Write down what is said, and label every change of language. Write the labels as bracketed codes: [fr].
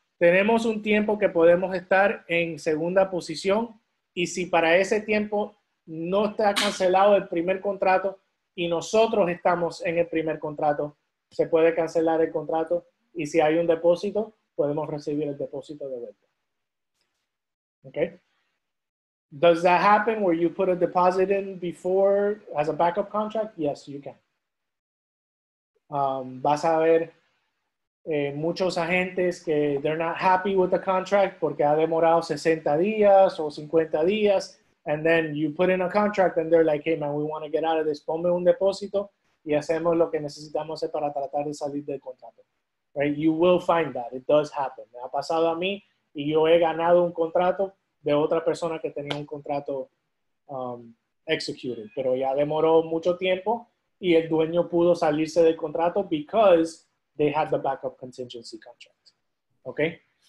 [es] tenemos un tiempo que podemos estar en segunda posición y si para ese tiempo no está cancelado el primer contrato y nosotros estamos en el primer contrato, se puede cancelar el contrato y si hay un depósito, podemos recibir el depósito de vuelta. ¿Ok? [en] Does that happen where you put a deposit in before as a backup contract? Yes, you can. [es] Vas a ver muchos agentes que [en] they're not happy with the contract [es] porque ha demorado 60 días o 50 días. [en] And then you put in a contract and they're like, hey man, we want to get out of this. [es] Ponme un depósito y hacemos lo que necesitamos para tratar de salir del contrato. Right? [en] You will find that. It does happen. [es] Me ha pasado a mí y yo he ganado un contrato de otra persona que tenía un contrato executed. Pero ya demoró mucho tiempo y el dueño pudo salirse del contrato [en] because they had the backup contingency contract. [es] Okay?